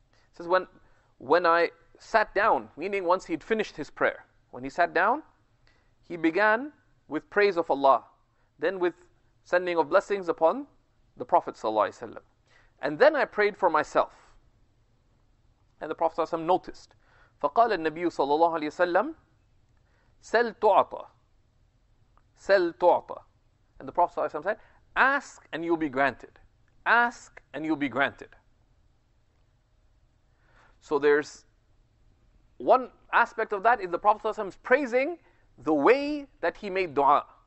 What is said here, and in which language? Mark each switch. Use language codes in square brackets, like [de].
[en] It says when I sat down, meaning once he'd finished his prayer, when he sat down, he began with praise of Allah, then with sending of blessings upon the Prophet صلى الله عليه وسلم, and then I prayed for myself, and the Prophet صلى الله عليه وسلم noticed. [ar] فقال النبي صلى الله عليه وسلم سل تعطى. Sel tu'ata. [en] And the Prophet ﷺ said, ask and you'll be granted. Ask and you'll be granted. So there's one aspect of that is the Prophet ﷺ is praising the way that he made dua.